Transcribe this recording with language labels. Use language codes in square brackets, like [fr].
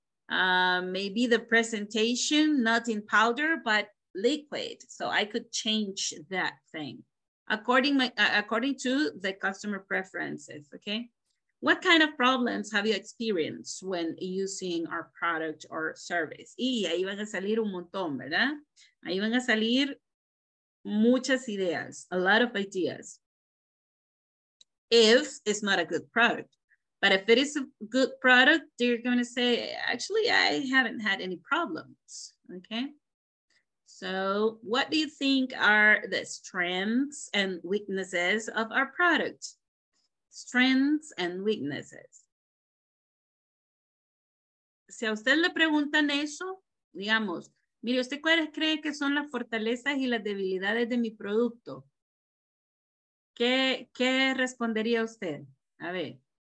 [en] maybe the presentation, not in powder, but liquid. So I could change that thing according to the customer preferences, okay? What kind of problems have you experienced when using our product or service? [es] Y ahí van a salir un montón, ¿verdad? Ahí van a salir muchas ideas, [en] a lot of ideas. If it's not a good product. But if it is a good product, they're going to say, actually, I haven't had any problems, okay? So what do you think are the strengths and weaknesses of our product? Strengths and weaknesses. [es] Si a usted le preguntan eso, digamos, mire, ¿usted cuáles cree que son las fortalezas y las debilidades de mi producto? ¿Qué respondería usted? A ver.